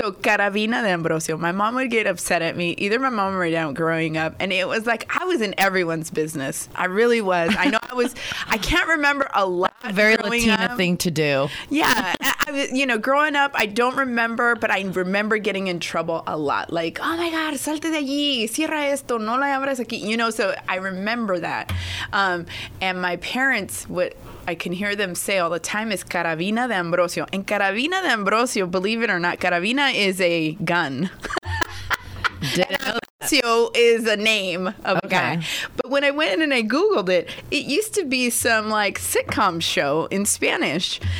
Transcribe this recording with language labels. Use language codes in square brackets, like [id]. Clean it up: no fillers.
[en] Okay, so Carabina de Ambrosio. My mom would get upset at me, either my mom or my dad growing up, and it was like I was in everyone's business. I really was. I know I was. I can't remember a lot. A very Latina thing to do. Yeah, I, you know, growing up, I don't remember, but I remember getting in trouble a lot. Like, oh my God, [es] salte de allí, cierra esto, no la abras aquí. [en] You know, so I remember that. And my parents, what I can hear them say all the time is Carabina de Ambrosio. And Carabina de Ambrosio, believe it or not, Carabina is a gun. Ambrosio is a name of a guy. But when I went in and I Googled it, it used to be some like sitcom show in Spanish.